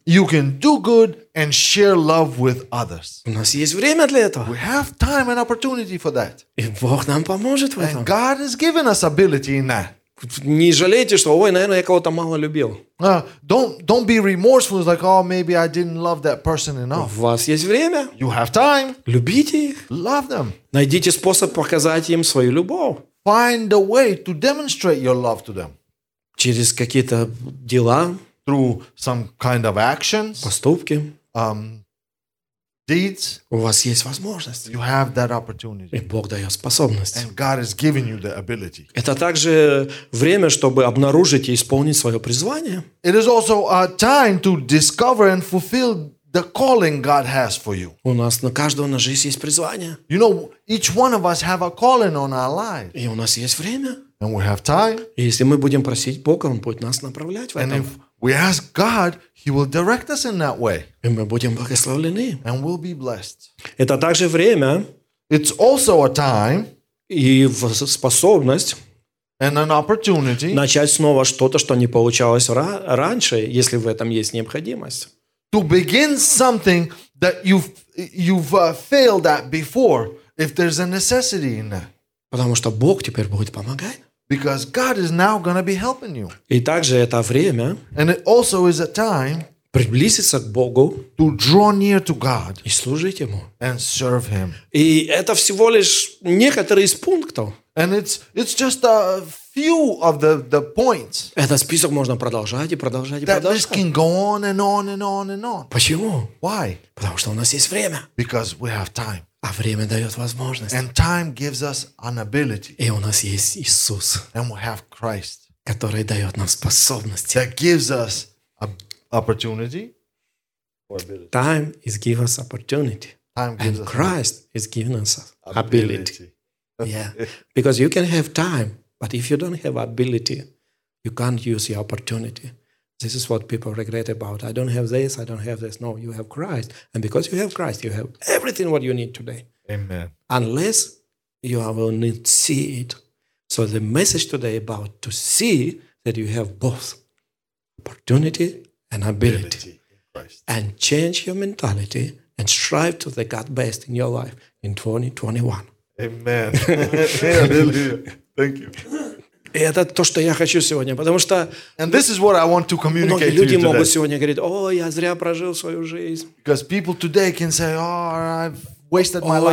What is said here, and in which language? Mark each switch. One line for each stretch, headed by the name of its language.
English: You can do good and share love with others.
Russian: У нас есть время для этого.
English: We have time and opportunity for that.
Russian: И Бог нам поможет в этом.
English: And God has given us ability in that.
Russian: Не жалейте, что, ой, наверное, я кого-то мало любил.
English: Don't be remorseful. It's like, oh, maybe I didn't love that person enough.
Russian: У вас есть время.
English: You have time.
Russian: Любите их.
English: Love them.
Russian: Найдите способ показать им свою любовь.
English: Find a way to demonstrate your love to them.
Russian: Через какие-то дела.
English: Through some kind of actions.
Russian: Поступки.
English: Deeds.
Russian: У вас есть возможность.
English: You have that opportunity.
Russian: И Бог дает способность.
English: And God has given you the ability.
Russian: Это также время, чтобы обнаружить и исполнить свое призвание.
English: It is also a time to discover and fulfill the calling God has for you.
Russian: У нас на каждого на жизнь есть призвание.
English: You know, each one of us have a calling on our life.
Russian: И у нас есть время.
English: And we have time.
Russian: И если мы будем просить Бога, Он будет нас направлять в этом.
English: And if we ask God, He will direct us in that way.
Russian: И мы будем благословлены.
English: And we'll be blessed.
Russian: Это также время.
English: It's also a time.
Russian: И способность.
English: And an opportunity.
Russian: Начать снова что-то, что не получалось раньше, если в этом есть необходимость.
English: To begin something that you've failed at before, if there's a necessity in that.
Russian: Потому что Бог теперь будет помогать.
English: Because God is now going to be helping you.
Russian: И также это время.
English: And it also is a time.
Russian: Приблизиться к Богу.
English: To draw near to God.
Russian: И служить Ему.
English: And serve Him.
Russian: И это всего лишь некоторые из пунктов.
English: And it's just a few of the points.
Russian: Этот список можно продолжать и продолжать и
English: that
Russian: продолжать.
English: That list can go on and on and on and on.
Russian: Почему?
English: Why?
Russian: Потому что у нас есть время.
English: Because we have time.
Russian: А время дает возможность.
English: And time gives us an ability.
Russian: И у нас есть Иисус.
English: And we have Christ.
Russian: Который дает нам способности.
English: That gives us opportunity. Time is giving us opportunity. Time gives us Christ is giving us ability. Yeah. Because you can have time, but if you don't have ability, you can't use your opportunity. This is what people regret about. I don't have this, I don't have this. No, you have Christ. And because you have Christ, you have everything what you need today. Amen. Unless you will need seed. So the message today about to see that you have both opportunity and ability. And change your mentality and strive to the God best in your life in 2021. Amen. Hallelujah. Thank you.
Russian: И это то, что я хочу сегодня, потому что
English: And this is what I want to communicate
Russian: многие люди
English: to you
Russian: могут
English: today.
Russian: Сегодня говорить, о, я зря прожил свою жизнь.
English: Because people today can say, oh, I've wasted my life.